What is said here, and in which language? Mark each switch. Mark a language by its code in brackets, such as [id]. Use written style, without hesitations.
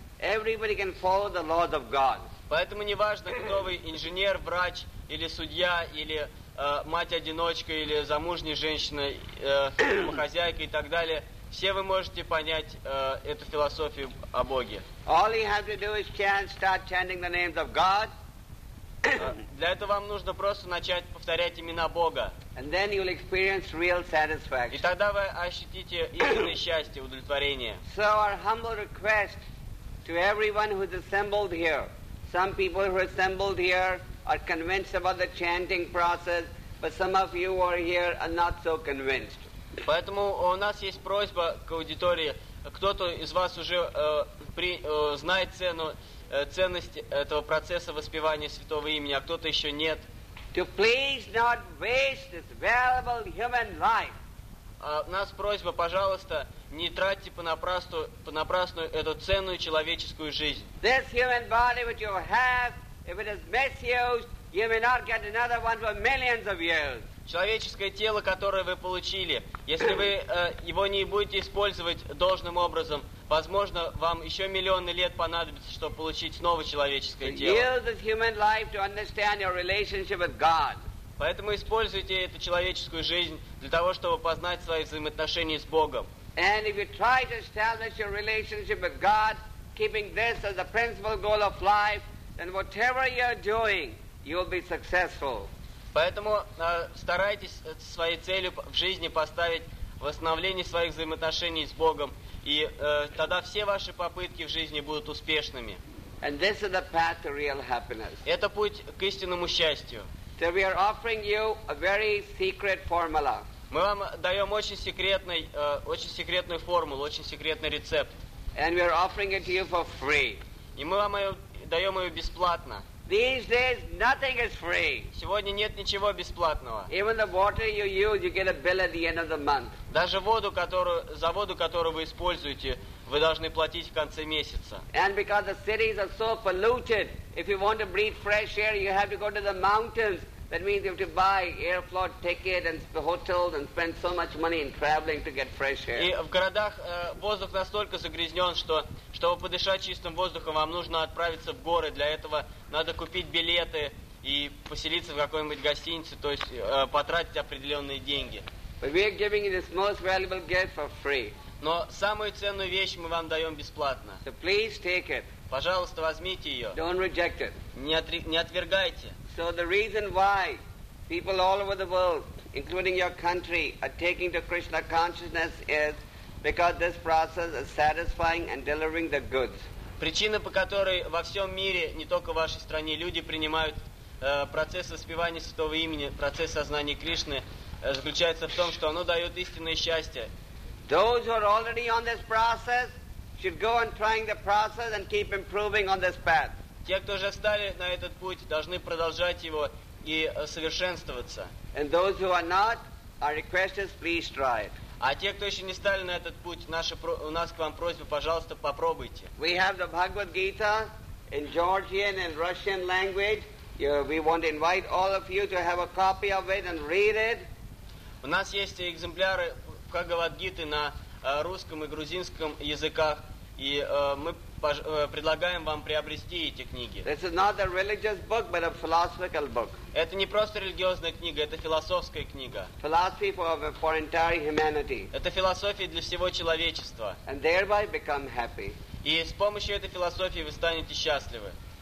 [en] Everybody can follow the laws of God. [ru] Поэтому не важно, кто вы, инженер, врач или судья или мать-одиночка или замужняя женщина, домохозяйка и так далее. Все вы можете понять эту философию о Боге. [en] All you have to do is chant, start chanting the names of God. [ru] Для этого вам нужно просто начать повторять имена Бога. [en] And then you'll experience real satisfaction. [ru] И тогда вы ощутите истинное счастье, удовлетворение. [en] So our humble request to everyone who's assembled here. Some people who are assembled here are convinced about the chanting process, but some of you who are here are not so convinced. [ru] Поэтому у нас есть просьба к аудитории. Кто-то из вас уже знает ценность этого процесса воспевания святого имени, а кто-то еще нет. [en] To please not waste this valuable human life. [ru] У нас просьба, пожалуйста, не тратьте понапрасну эту ценную человеческую жизнь. [en] This human body which you have, if it is misused, you may not get another one for millions of years. [ru] Человеческое тело, которое вы получили, если вы его не будете использовать должным образом, возможно, вам еще миллионы лет понадобится, чтобы получить снова человеческое тело. [en] Use this human life to understand your relationship with God. [ru] Поэтому используйте эту человеческую жизнь для того, чтобы познать свои взаимоотношения с Богом. [en] And if you try to establish your relationship with God, keeping this as the principal goal of life, then whatever you're doing, you'll be successful. [ru] Поэтому старайтесь своей целью в жизни поставить восстановление своих взаимоотношений с Богом, и тогда все ваши попытки в жизни будут успешными. [en] And this is the path to real happiness. [ru] Это путь к истинному счастью. [en] So we are offering you a very secret formula. [ru] Мы вам даем очень секретную формулу, очень секретный рецепт. [en] And we are offering it to you for free. [ru] И мы вам даем ее бесплатно. [en] These days nothing is free. [ru] Сегодня нет ничего бесплатного. [en] Even the water you use, you get a bill at the end of the month. [ru] Даже воду, которую за воду, которую вы используете, вы должны платить в конце месяца. [en] And because the cities are so polluted, if you want to breathe fresh air, you have to go to the mountains. That means you have to buy air flight ticket and the hotels and spend so much money in traveling to get fresh air. [ru] И в городах воздух настолько загрязнен, что чтобы подышать чистым воздухом, вам нужно отправиться в горы. Для этого надо купить билеты и поселиться в какой-нибудь гостинице, то есть потратить определенные деньги. [en] But we are giving you this most valuable gift for free. [ru] Но самую ценную вещь мы вам даем бесплатно. [en] So please take it. [ru] Пожалуйста, возьмите ее. [en] Don't reject it. [ru] Не отвергайте. [en] So the reason why people all over the world, including your country, are taking to Krishna consciousness is because this process is satisfying and delivering the goods. [ru] Причина, по которой во всем мире, не только в вашей стране, люди принимают процесс воспевания святого имени, процесс сознания Кришны, заключается в том, что оно дает истинное счастье. [en] Those who are already on this process should go on trying the process and keep improving on this path. [ru] Те, кто уже стали на этот путь, должны продолжать его и совершенствоваться. [en] And those who are not, our request is please try it. [ru] А те, кто еще не стали на этот путь, у нас к вам просьба, пожалуйста, попробуйте. [en] We have the Bhagavad Gita in Georgian and Russian language. We want to invite all of you to have a copy of it and read it. [ru] У нас есть экземпляры Bhagavad Gita на русском и грузинском языках, и мы предлагаем вам приобрести эти книги. [en] This is not a religious book, but a philosophical book. [ru] Это не просто религиозная книга, это философская книга. [en] Philosophy for entire humanity. [ru] Это философия для всего человечества. [en] And thereby become happy. [ru] И с помощью этой философии вы станете счастливы.